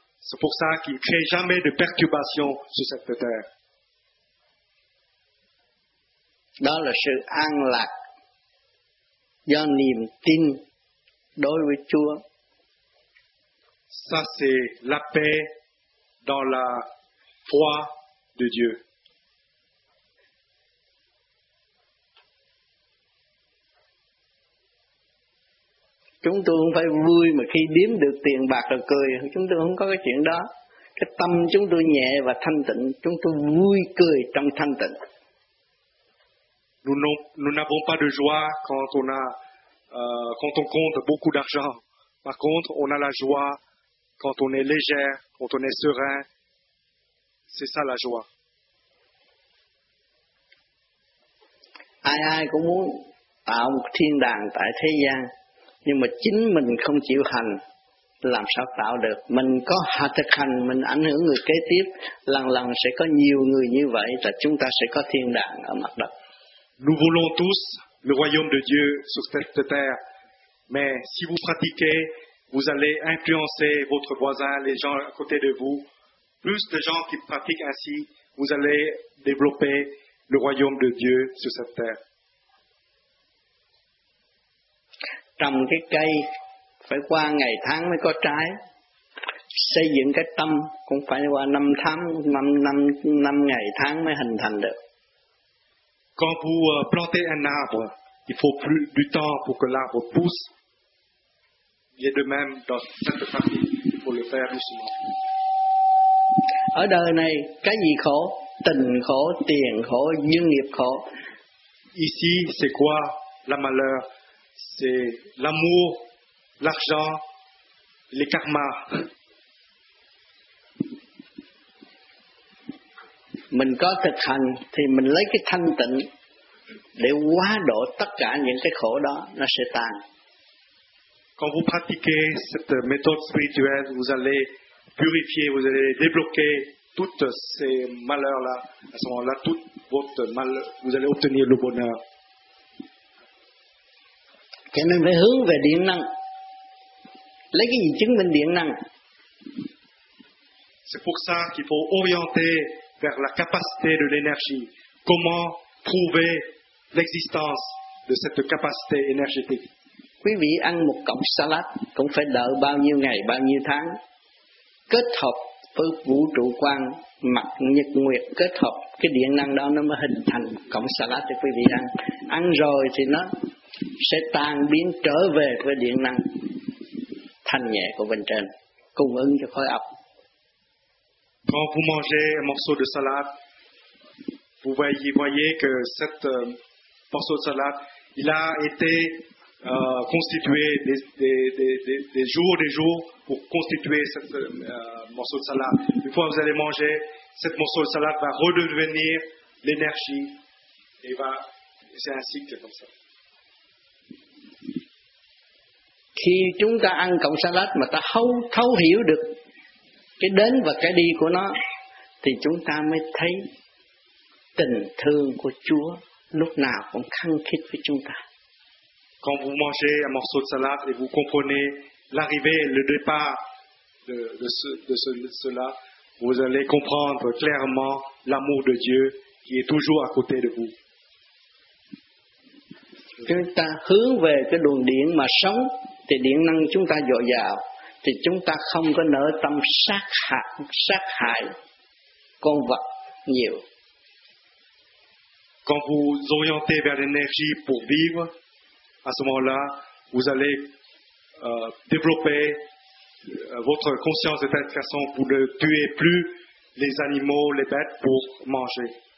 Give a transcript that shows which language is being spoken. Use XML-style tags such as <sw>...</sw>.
<fr>C'est pour ça qu'ils ne créent jamais de perturbations sur cette terre.</fr> <vi>Đó là sự an lạc do niềm tin đối với Chúa.</vi> <fr>Ça, c'est la paix dans la foi de Dieu.</fr> <vi>Chúng tôi không phải vui mà khi đếm được tiền bạc rồi cười, chúng tôi không có cái chuyện đó. Cái tâm chúng tôi nhẹ và thanh tịnh, chúng tôi vui cười trong thanh tịnh.</vi> <fr>Nous n'avons pas de joie quand on a quand on compte beaucoup d'argent. Par contre, on a la joie quand on est légère, quand on est serein. C'est ça la joie.</fr> <vi>Ai ai cũng muốn tạo một thiên đàng tại thế gian, nhưng mà chính mình không chịu hành làm sao tạo được. Mình có thực hành, mình ảnh hưởng người kế tiếp, lần lần sẽ có nhiều người như vậy là chúng ta sẽ có thiên đàng ở mặt đất.</vi> <fr>Nous voulons tous le royaume de Dieu sur cette terre, mais si vous pratiquez, vous allez influencer votre voisin, les gens à côté de vous. Plus de gens qui pratiquent ainsi, vous allez développer le royaume de Dieu sur cette terre.</fr> <vi>Trồng cái cây phải qua ngày tháng mới có trái. Xây dựng cái tâm cũng phải qua năm tháng, năm ngày tháng mới hình thành được.</vi> <fr>Quand vous plantez un arbre, il faut plus du temps pour que l'arbre pousse. Il est de même dans cette partie, il faut le faire doucement.</fr> <vi>Ở đời này, cái gì khổ? Tình khổ, tiền khổ, duyên nghiệp khổ.</vi> <fr>Ici, c'est quoi la malheur? C'est l'amour, l'argent, les karmas.</fr> <vi>Mình có thực hành thì mình lấy cái thanh tịnh để hóa độ tất cả những cái khổ đó, nó sẽ tan.</vi> <fr>Quand vous pratiquez cette méthode spirituelle, vous allez purifier, vous allez débloquer toutes ces malheurs-là. À ce moment-là, tout votre mal, vous allez obtenir le bonheur.</fr> <vi>Cho nên phải hướng về điện năng. Lấy cái gì chứng minh điện năng?</vi> <fr>C'est pour ça qu'il faut orienter vers la capacité de l'énergie. Comment prouver l'existence de cette capacité énergétique?</fr> <vi>Quý vị ăn một cọng salad cũng phải đợi bao nhiêu ngày, bao nhiêu tháng. Kết hợp với vũ trụ quan, mặt nhật nguyệt kết hợp, cái điện năng đó nó mới hình thành cọng salad cho quý vị ăn. Ăn rồi thì nó sẽ tan biến trở về với điện năng thanh nhẹ của bên trên, cung ứng cho khối óc.</vi> <fr>Quand vous mangez un morceau de salade, vous voyez que cette morceau de salade, il a été constitué des jours et des jours pour constituer cette morceau de salade. Une fois que vous allez manger, cette morceau de salade va redevenir l'énergie et va, c'est un cycle comme ça.</fr> <vi>Khi chúng ta ăn cọng salad mà ta thấu hiểu được cái đến và cái đi của nó, thì chúng ta mới thấy tình thương của Chúa lúc nào cũng khăng khít với chúng ta.</vi> <fr>Quand vous mangez un morceau de salade et vous comprenez l'arrivée, le départ de cela, vous allez comprendre clairement l'amour de Dieu qui est toujours à côté de vous.</fr> <vi>Chúng ta hướng về cái luồng điện mà sống, thì điện năng chúng ta dồi dào, thì chúng ta không có nỡ tâm sát hại con vật nhiều.</vi> <fr>Quand vous orientez vers l'énergie pour vivre, à ce moment-là, vous allez développer votre conscience de telle façon pour ne tuer plus les animaux, les bêtes pour manger.</fr>